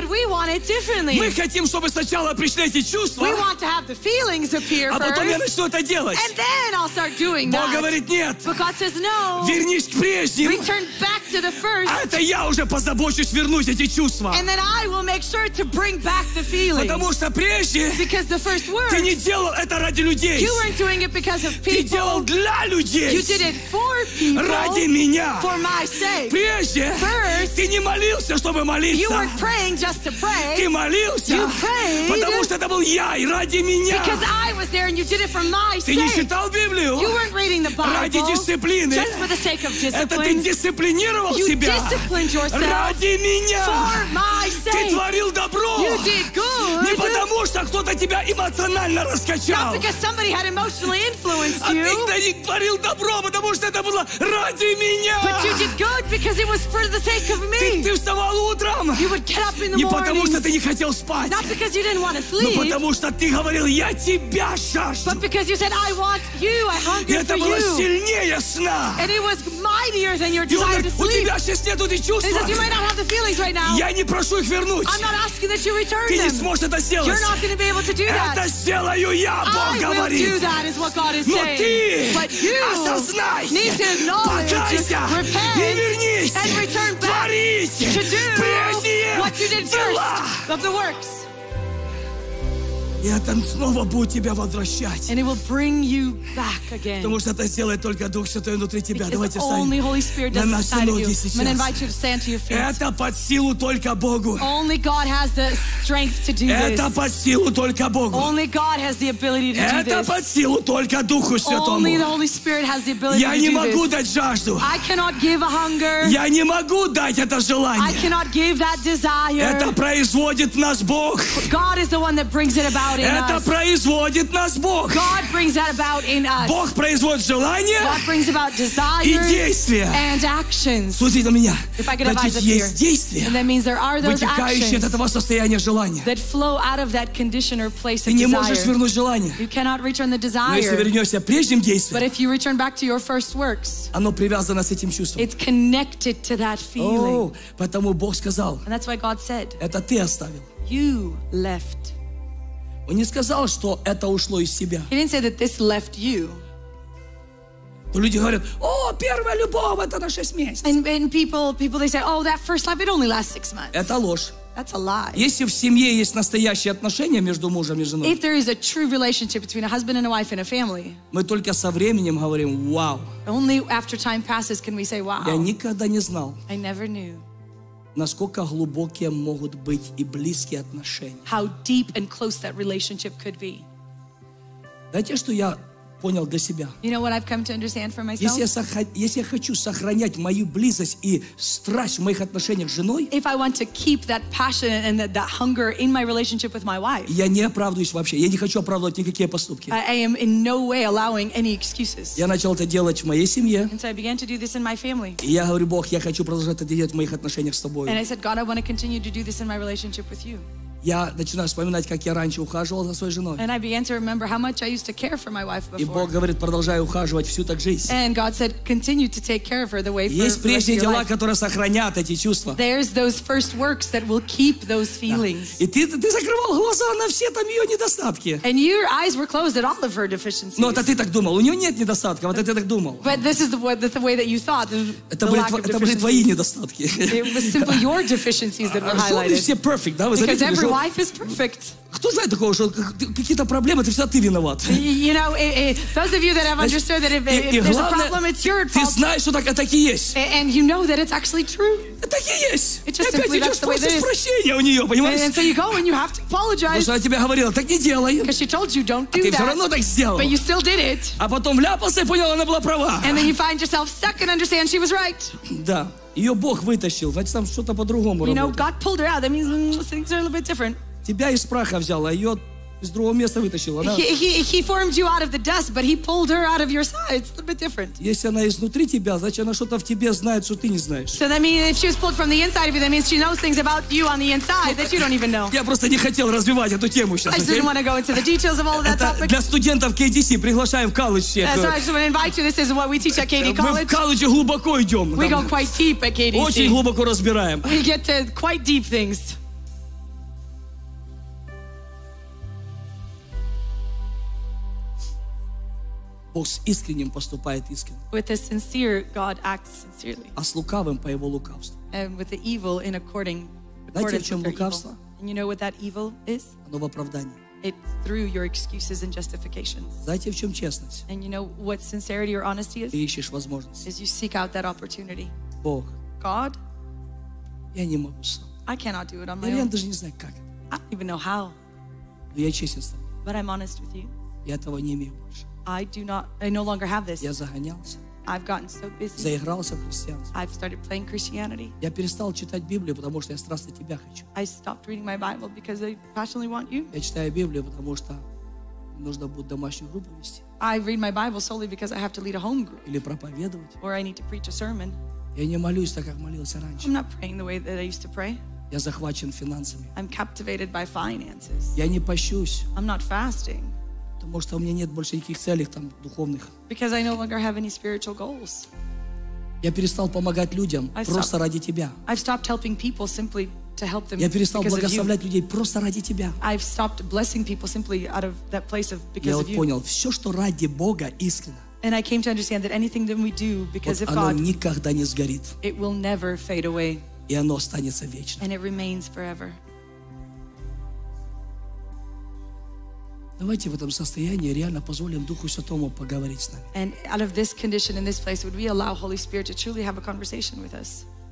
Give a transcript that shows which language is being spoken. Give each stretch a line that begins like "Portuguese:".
English: But we want it differently.
Russian: Мы хотим, чтобы сначала пришли эти чувства,
English: we want to have the feelings appear
Russian: а потом
English: first,
Russian: я начну это делать.
English: And then I'll start doing
Russian: Бог
English: that.
Russian: Говорит нет.
English: But God says, no.
Russian: Вернись к прежним.
English: Return back to the first.
Russian: А это я уже позабочусь вернуть эти чувства.
English: And then I will make sure to bring back the feelings.
Russian: Потому что прежде
English: because the first words,
Russian: ты не делал это ради людей.
English: You weren't doing it because of people.
Russian: Ты делал для людей.
English: You did it for people.
Russian: Ради меня.
English: For my sake.
Russian: Прежде
English: first,
Russian: ты не молился, чтобы молиться.
English: You weren't praying just to pray.
Russian: Ты молился. Потому что это был я и ради меня.
English: Because I was there and you did it for my sake.
Russian: Ты не читал Библию.
English: You weren't reading the Bible.
Russian: Ради дисциплины.
English: Just for the sake of discipline.
Russian: Это ты дисциплинировал
English: you
Russian: себя.
English: You disciplined yourself.
Russian: Ради меня.
English: For my sake.
Russian: Ты творил добро.
English: You did good.
Russian: Не потому что кто-то тебя эмоционально раскачал.
English: Not because somebody had emotionally influenced you.
Russian: А ты творил добро, потому что это было ради меня.
English: But you did good because it was for the sake of me.
Russian: Ты вставал утром.
English: You would get up in the morning.
Russian: Не потому что ты не хотел спать.
English: Not because you didn't want to sleep.
Russian: Но потому что ты говорил, я тебя жажду.
English: But because you said, I want you, I hunger
Russian: это
English: for you.
Russian: Было сильнее сна.
English: And it was mightier than your desire
Russian: говорит,
English: to sleep.
Russian: У тебя сейчас нету эти чувства.
English: And he says, you might not have the feelings right now.
Russian: Я не прошу их вернуть.
English: I'm not asking that you return
Russian: ты
English: them.
Russian: Ты не сможешь это сделать.
English: You're not going to be able to do that.
Russian: Это сделаю я, Бог
English: I
Russian: говорит.
English: I will do that, is what God is
Russian: Но
English: saying.
Russian: Но ты
English: but you
Russian: осознай.
English: Need to know
Russian: покайся.
English: Repent.
Russian: И вернись.
English: And return back.
Russian: Творить.
English: To do
Russian: прежние
English: what you did
Russian: дела.
English: First of the works.
Russian: И это снова будет тебя возвращать.
English: And it will bring you back again.
Russian: Потому что это сделает только Дух Святой внутри тебя.
English: Because
Russian: давайте встанем
English: only Holy Spirit does
Russian: на наши ноги сейчас.
English: I'm gonna invite you to stand to your feet.
Russian: Это под силу только Богу.
English: Only God has the strength to do this.
Russian: Это под силу только Богу.
English: Only God has the ability to do
Russian: это
English: this.
Russian: Под силу только Духу Святому.
English: Only the Holy Spirit has the ability
Russian: Я
English: to do this.
Russian: Я не могу дать жажду.
English: I cannot give a hunger.
Russian: Я не могу дать это желание.
English: I cannot give that desire.
Russian: Это производит нас Бог.
English: God is the one that brings it about.
Russian: Это производит нас Бог.
English: God brings that about in us.
Russian: Бог производит желания
English: God brings about desires
Russian: и действия.
English: And actions.
Russian: Слушайте на меня.
English: If I could advise
Russian: Значит, есть действия,
English: and that means there are those
Russian: вытекающие от этого состояния желания.
English: That flow out of that condition or place
Russian: Ты не
English: desire.
Russian: Можешь вернуть желание.
English: You cannot return the desire.
Russian: Но если вернешься к прежним действиям,
English: but if you return back to your first works,
Russian: оно привязано с этим чувством.
English: It's connected to that feeling.
Russian: О, потому Бог сказал,
English: and that's why God said,
Russian: это ты оставил.
English: You left.
Russian: Он не сказал, что это ушло из себя.
English: He didn't say that this left you.
Russian: Но люди говорят, о, первая любовь, это на 6 месяцев.
English: And people they say, oh, that first love, it only lasts 6 months.
Russian: Это ложь.
English: That's a lie.
Russian: Если в семье есть настоящие отношения между мужем и женой,
English: if there is a true relationship between a husband and a wife in a family,
Russian: мы только со временем говорим, вау.
English: Only after time passes can we say, wow.
Russian: Я никогда не знал.
English: I never knew.
Russian: Насколько глубокие могут быть и близкие отношения.
English: How deep and close that relationship could be.
Russian: Знаете, что я понял для себя.
English: You know what I've come to understand for myself?
Russian: Если я хочу сохранять мою близость и страсть в моих отношениях с женой,
English: if I want to keep that passion and that hunger in my relationship with my wife,
Russian: я не оправдываюсь вообще. Я не хочу оправдывать никакие поступки.
English: I am in no way allowing any excuses.
Russian: Я начал это делать в моей семье.
English: And so I began to do this in my family.
Russian: И я говорю, Бог, я хочу продолжать это делать в моих отношениях с тобой.
English: And I said, God, I want to continue to do this in my relationship with you.
Russian: Я начинаю вспоминать, как я раньше ухаживал за своей женой.
English: And I began to remember how much I used to care for my wife before.
Russian: И Бог говорит, продолжай ухаживать всю так жизнь.
English: And God said, continue to take care of her the way for the rest of your life.
Russian: Есть прежние дела, которые сохранят эти чувства.
English: There's those first works that will keep those feelings.
Russian: И ты закрывал глаза на все там ее недостатки.
English: And your eyes were closed at all of her deficiencies.
Russian: Но это ты так думал. У нее нет недостатков. Вот это ты так думал.
English: But this is the way that you thought.
Russian: Это были твои недостатки.
English: It was simply your deficiencies that were highlighted.
Russian: Все perfect, да?
English: Life is perfect.
Russian: Кто знает такого, что какие-то проблемы, это всегда ты виноват.
English: You know, those of you that have understood that if there's
Russian: главное,
English: a problem, it's your fault.
Russian: Ты знаешь, что так, это так и есть.
English: And you know that it's actually true.
Russian: Это и есть.
English: It just
Russian: опять идешь просить прощения у нее, понимаешь?
English: And so you go and you have to apologize.
Russian: Потому что она тебе говорила, так не делай.
English: Because she told you, don't do
Russian: а ты
English: that.
Russian: Все равно так сделал.
English: But you still did it.
Russian: А потом вляпался и понял, она была права.
English: And then you find yourself stuck and understand she was right.
Russian: Да. Ее Бог вытащил, значит там что-то по-другому работает.
English: You know, God pulled her out. That means things are a little bit different.
Russian: Тебя из праха взял, а ее из другого места вытащил, да?
English: He formed you out of the dust, but he pulled her out of your side. It's a little bit different.
Russian: Если она изнутри тебя, значит она что-то в тебе знает, что ты не знаешь.
English: So that means if she was pulled from the inside of you, that means she knows things about you on the inside that you don't even know.
Russian: Я просто не хотел развивать эту тему сейчас.
English: I just didn't want to go into the details of all of that topic.
Russian: Это для студентов KDC приглашаем в колледж.
English: That's why I just want to invite you. This is what we teach at KD College.
Russian: Мы в колледже глубоко идем.
English: We go quite deep at KDC.
Russian: Очень глубоко разбираем.
English: We get to quite deep things.
Russian: Бог с искренним поступает искренне.
English: With a sincere God acts sincerely.
Russian: А с лукавым по его лукавству.
English: And with the evil in according
Russian: знаете, о чем лукавство?
English: And you know what that evil is?
Russian: Оно в оправдании.
English: It's through your excuses and justifications.
Russian: Знаете, в чем честность?
English: And you know what sincerity or honesty is?
Russian: Ты ищешь возможность.
English: Is you seek out that opportunity.
Russian: Бог.
English: God.
Russian: Я не могу сам.
English: I cannot do it on
Russian: Или
English: my own.
Russian: Я даже не знаю как.
English: I don't even know how.
Russian: Но я честен с тобой.
English: But I'm honest with you.
Russian: Я этого не имею больше.
English: I no longer have this.
Russian: Я загонялся.
English: I've gotten so busy.
Russian: Заигрался в христианство.
English: I've started playing Christianity.
Russian: Я перестал читать Библию, потому что я страстно тебя хочу.
English: I stopped reading my Bible because I passionately want you.
Russian: Я читаю Библию, потому что нужно будет домашнюю группу вести.
English: I read my Bible solely because I have to lead a home group.
Russian: Или проповедовать.
English: Or I need to preach a sermon.
Russian: Я не молюсь так, как молился раньше.
English: I'm not praying the way that I used to pray.
Russian: Я захвачен финансами.
English: I'm captivated by finances.
Russian: Я не пощусь.
English: I'm not fasting.
Russian: Потому что у меня нет больше никаких целей там духовных.
English: Because I no longer have any spiritual goals.
Russian: Я перестал помогать людям просто ради тебя.
English: I've stopped helping people simply to help them.
Russian: Я перестал благословлять людей просто ради тебя.
English: I've stopped blessing people simply out of that place of because of
Russian: вот
English: you.
Russian: Я понял, все, что ради Бога, искренно.
English: And I came to understand that anything that we do because
Russian: вот
English: of God.
Russian: Оно никогда не сгорит.
English: It will never fade away.
Russian: И оно останется вечно.
English: And it remains forever.
Russian: Давайте в этом состоянии реально позволим Духу Святому поговорить с нами.
English: And out of this condition, in this place, would we allow Holy Spirit to truly have a conversation with us?